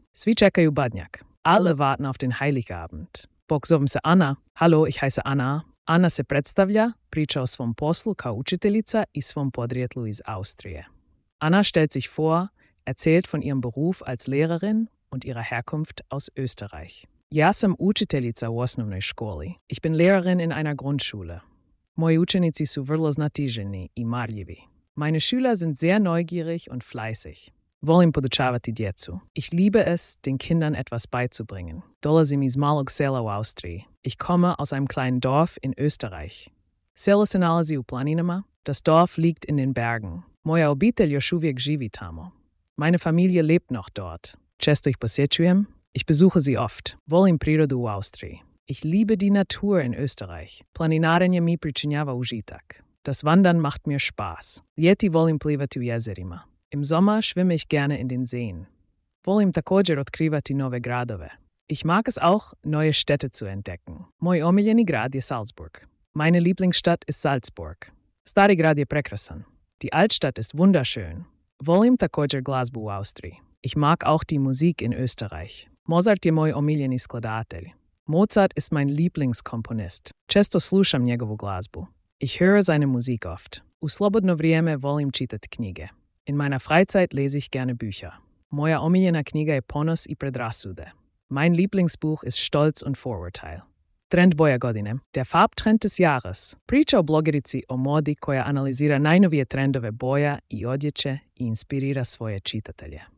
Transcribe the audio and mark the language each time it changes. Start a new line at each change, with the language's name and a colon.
Croatian: Svi čekaju badnjak.
German: Alle warten auf den Heiligabend.
Croatian: Bog zovem se Anna.
German: Hallo, ich heiße Anna.
Croatian: Anna se predstavlja, priča o svom poslu kao učiteljica i svom podrijetlu iz Austrije.
German: Anna stellt sich vor, erzählt von ihrem Beruf als Lehrerin und ihrer Herkunft aus Österreich.
Croatian: Ja sam učiteljica u osnovnoj školi.
German: Ich bin Lehrerin in einer Grundschule.
Croatian: Moji učenici su vrlo znatiženi i marljivi.
German: Meine Schüler sind sehr neugierig und fleißig.
Croatian: Volim podučavati djecu.
German: Ich liebe es, den Kindern etwas beizubringen.
Croatian: Dolazim iz malog sela u Austriji.
German: Ich komme aus einem kleinen Dorf in Österreich.
Croatian: Selo se nalazi u planinama.
German: Das Dorf liegt in den Bergen.
Croatian: Moja obitelj još uvijek živi tamo.
German: Meine Familie lebt noch dort.
Croatian: Često ih posjećujem.
German: Ich besuche sie oft.
Croatian: Volim prirodu u Austriji.
German: Ich liebe die Natur in Österreich.
Croatian: Planinarenje mi pričinjava užitak.
German: Das Wandern macht mir Spaß.
Croatian: Ljeti volim plivati u jezerima.
German: Im Sommer schwimme ich gerne in den Seen.
Croatian: Volim također otkrivati nove gradove.
German: Ich mag es auch, neue Städte zu entdecken.
Croatian: Moj omiljeni grad je Salzburg.
German: Meine Lieblingsstadt ist Salzburg.
Croatian: Stari grad je prekrasan.
German: Die Altstadt ist wunderschön.
Croatian: Volim također glazbu u Austriji.
German: Ich mag auch die Musik in Österreich.
Croatian: Mozart je moj omiljeni skladatelj.
German: Mozart ist mein Lieblingskomponist.
Croatian: Često slušam njegovu glazbu.
German: Ich höre seine Musik oft.
Croatian: U slobodno vrijeme volim čitati knjige.
German: In meiner Freizeit lese ich gerne Bücher.
Croatian: Moja omiljena knjiga je Ponos i predrasude.
German: Mein Lieblingsbuch ist Stolz und Vorurteil.
Croatian: Trend boja godine.
German: Der Farbtrend des Jahres.
Croatian: Priča o blogerici o modi koja analizira najnovije trendove boja i odjeće i inspirira svoje čitatelje.